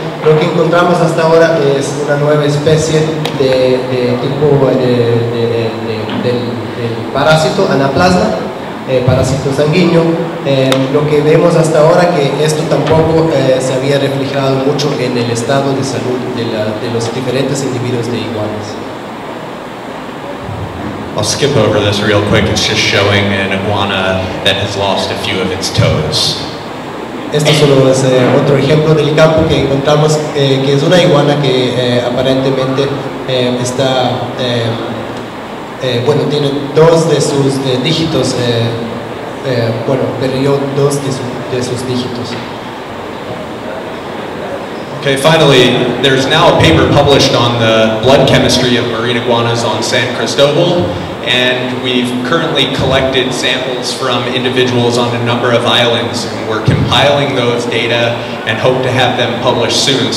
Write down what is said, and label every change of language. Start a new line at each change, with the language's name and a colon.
Spanish: Lo que encontramos hasta ahora es una nueva especie de tipo del parásito anaplasma, parásito sanguíneo. Lo que vemos hasta ahora que esto tampoco se había reflejado mucho en el estado de salud de los diferentes individuos de iguanas.
English: I'll skip over this real quick. It's just showing an iguana that has lost a few of its toes.
Spanish: Este solo es otro ejemplo del campo que encontramos, que es una iguana que aparentemente está, bueno, tiene dos de sus dígitos, bueno, perdió dos de sus dígitos.
English: Okay, finally, there's now a paper published on the blood chemistry of marine iguanas on San Cristobal, and we've currently collected samples from individuals on a number of islands, and we're compiling those data and hope to have them published soon.